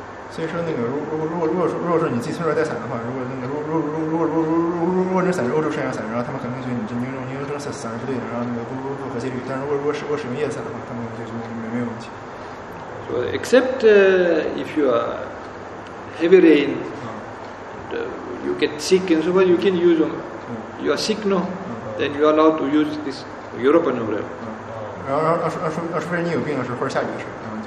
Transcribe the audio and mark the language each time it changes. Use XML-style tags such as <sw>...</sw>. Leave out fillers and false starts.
<zh>所以说，如果说你进村来带伞的话，如果你伞是欧洲式样伞，然后他们可能觉得你用这伞是不对的，然后不合纪律。但是如果使用叶子伞的话，他们就没有问题。</zh> <en>So except if you are heavy rain, you get sick and so on, you can use them. You are sick, no? Then you are allowed to use this European umbrella.</en> <zh>然后除非你有病的时候或者下雨的时候。</zh>